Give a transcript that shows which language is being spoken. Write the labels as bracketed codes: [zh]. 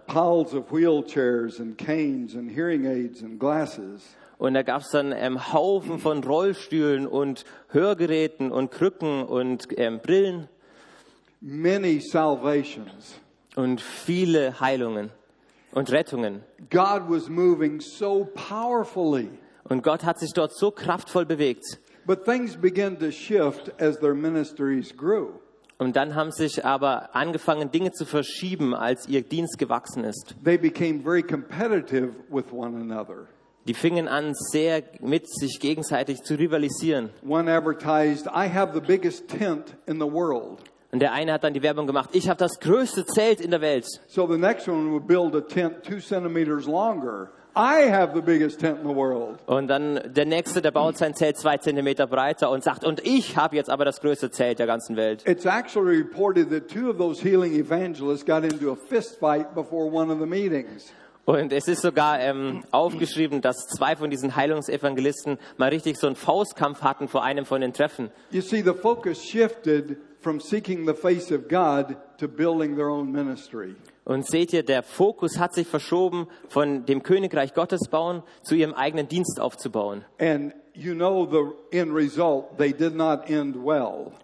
[en] Piles of wheelchairs and canes and hearing aids and glasses. [de] Und da gab es dann Haufen von Rollstühlen und Hörgeräten und Krücken und Brillen. [en] Many salvations. [de] Und viele Heilungen und Rettungen. [en] God was moving so powerfully. [de] Und Gott hat sich dort so kraftvoll bewegt. [en] But things began to shift as their ministries grew. [de] Und dann haben sich aber angefangen, Dinge zu verschieben, als ihr Dienst gewachsen ist. [en] They became very competitive with one another. [de] Die fingen an, sehr mit sich gegenseitig zu rivalisieren. [en] One advertised, "I have the biggest tent in the world." [de] Und der eine hat dann die Werbung gemacht, ich habe das größte Zelt in der Welt. [en] So the next one would build a tent 2 centimeters longer. "I have the biggest tent in the world." [de] Und dann der nächste, der baut sein Zelt 2 Zentimeter breiter und sagt, und ich habe jetzt aber das größte Zelt der ganzen Welt. [en] It's actually reported that 2 of those healing evangelists got into a fist fight before one of the meetings. [de] Und es ist sogar aufgeschrieben, dass 2 von diesen Heilungsevangelisten mal richtig so einen Faustkampf hatten vor einem von den Treffen. [en] You see, the focus shifted from seeking the face of God to building their own ministry. [de] Und seht ihr, der Fokus hat sich verschoben von dem Königreich Gottes bauen zu ihrem eigenen Dienst aufzubauen. [en] And you know the end result, they did not end well.